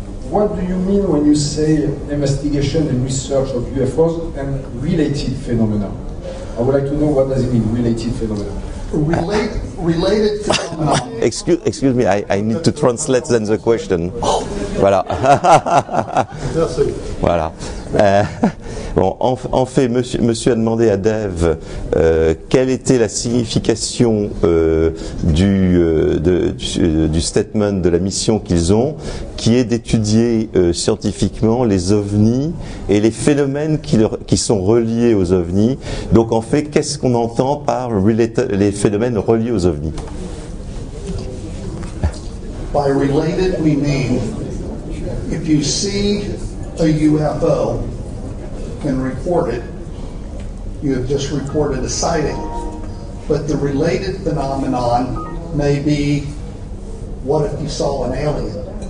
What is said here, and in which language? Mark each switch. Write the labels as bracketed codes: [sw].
[en] What do you mean when you say investigation and research of UFOs and related phenomena? I would like to know what does it mean, related phenomena? Related phenomena. excuse me, I need to translate then the question. [fr] Voilà. Merci. Voilà. En fait, monsieur a demandé à Dev quelle était la signification du statement de la mission qu'ils ont, qui est d'étudier scientifiquement les ovnis et les phénomènes qui sont reliés aux ovnis. Donc en fait, qu'est-ce qu'on entend par les phénomènes reliés aux ovnis? [en] By related, we mean if you see a UFO and report it, you have just reported a sighting. But the related phenomenon may be, what if you saw an alien?